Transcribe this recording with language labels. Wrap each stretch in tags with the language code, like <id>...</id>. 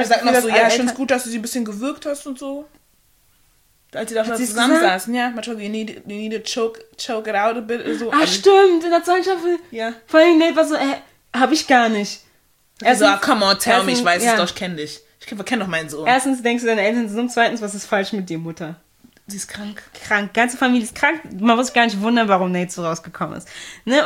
<de>Ich sag noch so, ich finde es gut, dass du sie ein bisschen gewürgt hast und so. Als sie da zusammensaßen, ja.</de> <en>Macho, you need to choke it out a bit.</en> <de>So. Ah, stimmt, in der zweiten Staffel. Ja. Vor allem, Nate war so, hab ich gar nicht. Er so,</de> <en>come on, tell me,</en> <de>ich weiß es doch, ich kenn dich. Ich kenne doch meinen Sohn. Erstens denkst du, deine Eltern sind dumm. Zweitens, was ist falsch mit dir, Mutter? Sie ist krank. Krank. Ganze Familie ist krank. Man muss gar nicht wundern, warum Nate so rausgekommen ist. Ne?</de>